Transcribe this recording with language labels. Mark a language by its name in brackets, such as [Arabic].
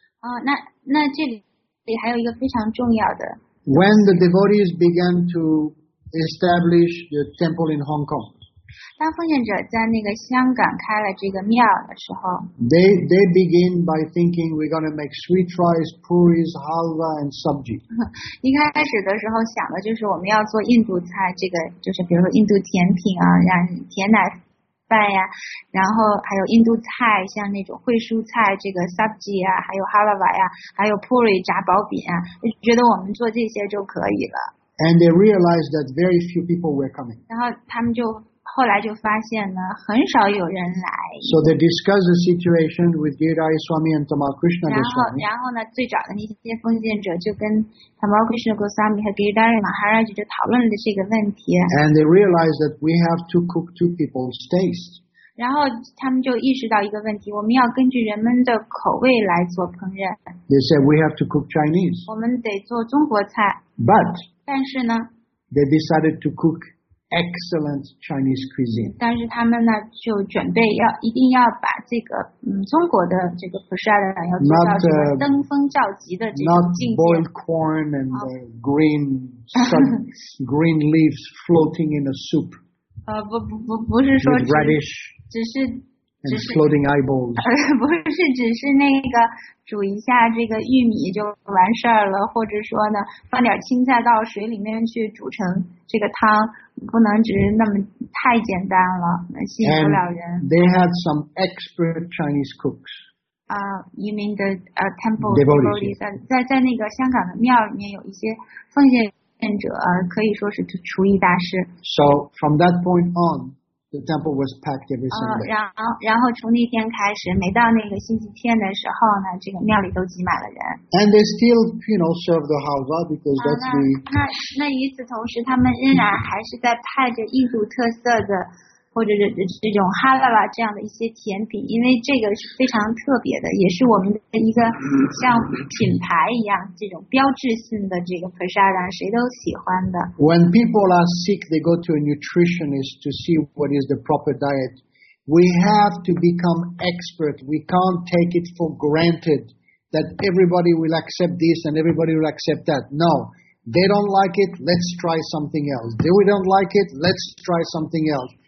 [Chinese] 那这里还有一个非常重要的。 [English] When the devotees began to establish the temple in Hong Kong. [Chinese] 当奉献者在那个香港开了这个庙的时候 [English] ，they begin by thinking we're going to make sweet rice, puris, halva, and sabji. [Chinese] 一开始的时候想的就是我们要做印度菜，这个就是比如说印度甜品啊，然后甜奶饭呀、啊，然后还有印度菜，像那种烩蔬菜，这个 sabji 啊，还有 halva 呀、啊，还有 puri 炸薄饼啊，就觉得我们做这些就可以了。 [English] And they realized that very few people were coming. [Chinese] 然后他们就。后来就发现呢，很少有人来。 [English] So they discuss the situation with Giridhari Swami and Tamal Krishna Goswami. [Chinese] 然后呢，最早的那些奉献者就跟 Tamal Krishna Goswami 和 Giridhari Maharaj 就讨论了这个问题。 [English] And they realize that we have to cook two people's taste. [Chinese] 然后他们就意识到一个问题，我们要根据人们的口味来做烹饪。 [English] They said we have to cook Chinese. [Chinese] 我们得做中国菜。 [English] But. [Chinese] 但是呢。 [English] They decided to cook. Excellent Chinese cuisine. [Chinese] 但是他们呢，就准备要一定要把这个中国的这个普沙的要做到什么登峰造极的这种境界。 [English] Not boiled corn and green leaves floating in a soup. [Chinese] 不是说 [English] with radish, [Chinese] 只是 [English] and floating eyeballs. [Chinese] 不是只是那个煮一下这个玉米就完事儿了，或者说呢，放点青菜到水里面去煮成这个汤。不能只是那么太简单了，吸引不了人。 [English] They had some expert Chinese cooks. You mean the temple devotees? [Chinese] 在那个香港的庙里面有一些奉献者，可以说是厨艺大师。 [English] So from that point on, the temple was packed every Sunday. [Chinese] 然后从那天开始，每到那个星期天的时候呢，这个庙里都挤满了人。 [English] And they still, you know, serve the halva because that's the. [Chinese] 那与此同时，他们仍然还是在派着印度特色的，或者是这种哈拉瓦这样的一些甜品，因为这个是非常特别的，也是我们的一个像品牌一样这种标志性的这个 prasadam， 谁都喜欢的。 [English] When people are sick, they go to a nutritionist to see what is the proper diet. We have to become expert. We can't take it for granted that everybody will accept this and everybody will accept that. No. They don't like it, let's try something else. They don't like it, let's try something else.